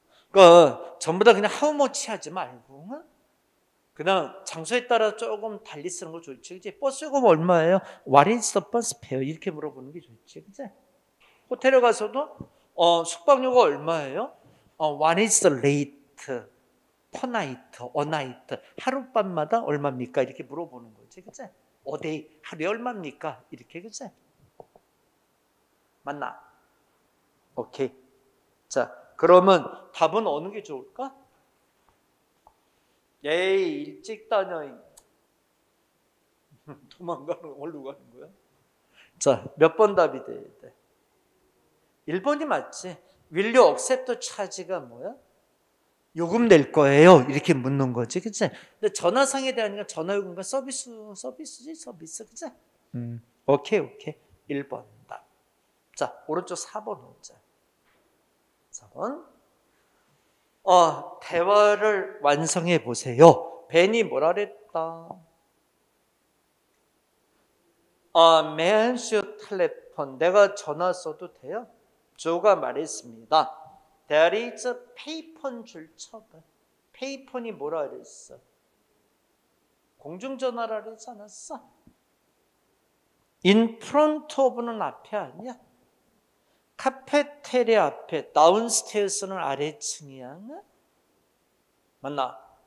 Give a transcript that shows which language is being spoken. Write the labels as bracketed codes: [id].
[ko] 그러니까 전부 다 그냥 [en] how much [ko] 하지 말고. 그냥 장소에 따라 조금 달리 쓰는 거 좋지. 그치? 버스 요금 얼마예요? [en] What is the bus fare? [ko] 이렇게 물어보는 게 좋지. 그치? 호텔에 가서도 숙박료가 얼마예요? [en] What is the rate? per night, a night, [ko] 하룻밤마다 얼마입니까? 이렇게 물어보는 거지, 그치? [en] a day, [ko] 하루에 얼마입니까? 이렇게, 그치? 맞나? 오케이. 자, 그러면 답은 어느 게 좋을까? 에이, 일찍 다녀잉. 도망가는, 어디로 가는 거야? 자, 몇 번 답이 돼야 돼? 1번이 맞지? [en] Will you accept the charge [ko] 가 뭐야? 요금 낼 거예요. 이렇게 묻는 거지. 그치? 근데 전화상에 대한 건 전화 요금과 서비스지. 그치? 오케이. 1번 답. 자, 오른쪽 4번 문제. 4번. 대화를 완성해 보세요. 벤이 뭐라 그랬다? [en] May I have your telephone? [ko] 내가 전화 써도 돼요? 조가 말했습니다. [en] There is a payphone [ko] 줄 쳐봐. Payphone이 뭐라 그랬어? 공중전화라 그랬지 않았어? [en] In front of [ko] 는 앞에 아니야? 카페테리 앞에, [en] downstairs [ko] 는 아래층이야? 맞나?